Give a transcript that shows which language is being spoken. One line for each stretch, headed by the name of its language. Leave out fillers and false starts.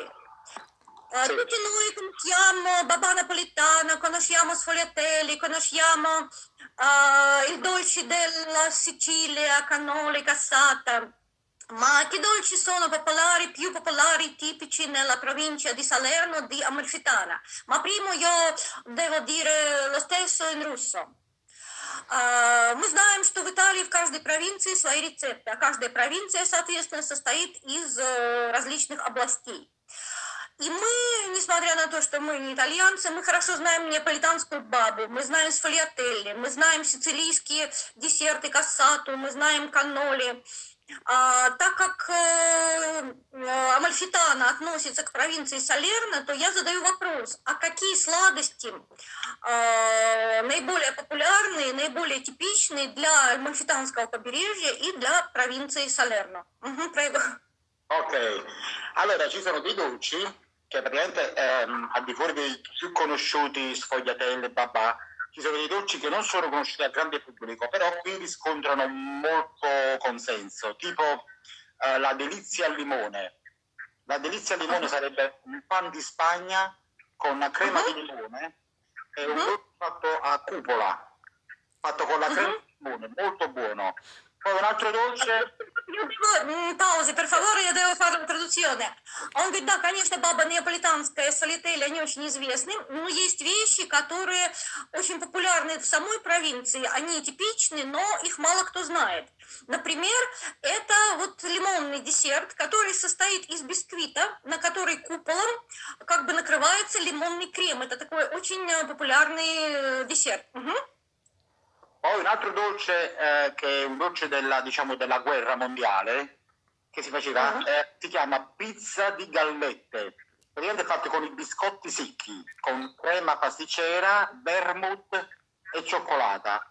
Italian: Tutti noi conosciamo babà napoletana, conosciamo sfogliatelli, conosciamo il dolce della Sicilia, cannoli, cassata. Ma che dolci sono popolari, più popolari, tipici nella provincia di Salerno, di Amalfitana? Ma prima io devo dire lo stesso in russo.
Russian: Мы знаем, что в Италии в каждой провинции свои рецепты, а каждая провинция, соответственно, состоит из различных областей. И мы, несмотря на то, что мы не итальянцы, мы хорошо знаем неаполитанскую бабу, мы знаем сфогиателле, мы знаем сицилийские десерты, кассату, мы знаем каннолли. Так как Амальфитана относится к провинции Салерно, то я задаю вопрос, а какие сладости наиболее популярные, наиболее типичные для Амальфитанского побережья и для провинции Салерно? Окей.
Italian: Allora, ci sono dei dolci, che praticamente al di fuori dei più conosciuti sfogliatelle, babà, ci sono dei dolci che non sono conosciuti al grande pubblico, però qui riscontrano molto consenso, tipo la delizia al limone. La delizia al limone sarebbe un pan di Spagna con una crema di limone e un dolce fatto a cupola, fatto con la crema di limone, molto buono. Poi un altro dolce.
Russian: Паузы, пожалуйста, я даю вам традиционное. Он говорит, да, конечно, баба неаполитанская, солитель, они очень известны, но есть вещи, которые очень популярны в самой провинции, они типичны, но их мало кто знает. Например, это вот лимонный десерт, который состоит из бисквита, на который куполом как бы накрывается лимонный крем. Это такой очень популярный десерт. Угу.
Italian: Poi un altro dolce che è un dolce della, diciamo, della guerra mondiale che si faceva, si chiama pizza di gallette. Praticamente è fatto con i biscotti secchi, con crema pasticcera, vermouth e cioccolata.